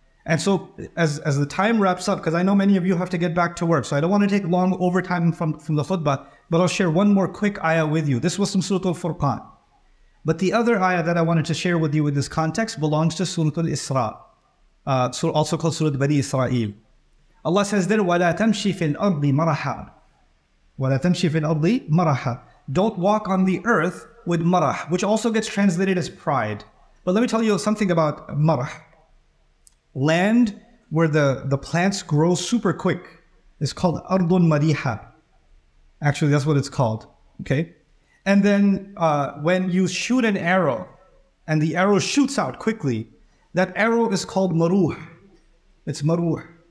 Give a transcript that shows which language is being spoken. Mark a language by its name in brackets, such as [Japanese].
[English] And so as the time wraps up, because I know many of you have to get back to work, so I don't want to take long overtime from the khutbah, but I'll share one more quick ayah with you. This was from Surah Al-Furqan. But the other ayah that I wanted to share with you in this context belongs to Surah Al-Isra, also called Surah Bani Israel. [Arabic] Allah says there, وَلَا تَمْشِي فِي الْأَرْضِ مَرَحًا. وَلَا تَمْشِي فِي الْأَرْضِ مَرَحًا. [English] don't walk on the earth with marah, which also gets translated as pride. But let me tell you something about marah. Land where the plants grow super quick is called ardun madiha. Actually, that's what it's called, okay? And then when you shoot an arrow and the arrow shoots out quickly, that arrow is called maruh. It's maruh.